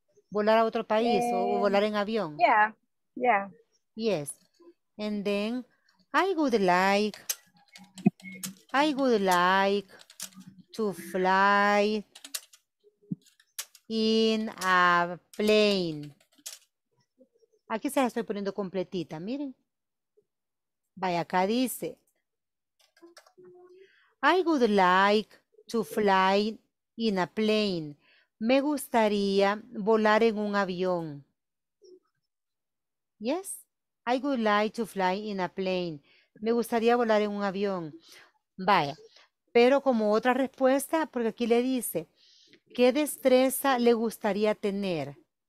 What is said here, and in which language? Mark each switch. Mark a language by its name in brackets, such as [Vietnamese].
[Spanish] Volar a otro país o volar en avión. [English] Yeah, yeah. Yes. And then I would like to fly in a plane. [Spanish] Aquí se la estoy poniendo completita, miren. Vaya, acá dice. [English] I would like to fly in a plane. [Spanish] Me gustaría volar en un avión. [English] Yes? I would like to fly in a plane. [Spanish] Me gustaría volar en un avión. Vaya. Pero como otra respuesta, porque aquí le dice, ¿qué destreza le gustaría tener?